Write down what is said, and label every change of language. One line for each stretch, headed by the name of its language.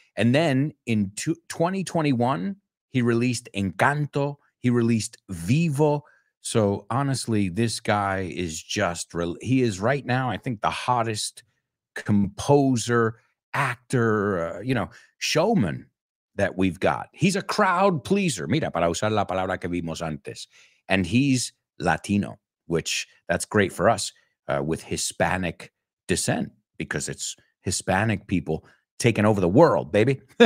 English: And then in 2021, he released Encanto. He released Vivo. So honestly, this guy is just, he is right now, I think, the hottest composer, actor, showman that we've got. He's a crowd pleaser.
Spanish: Mira, para usar la palabra que vimos antes.
English: And he's Latino, which that's great for us with Hispanic descent, because it's Hispanic people taking over the world, baby.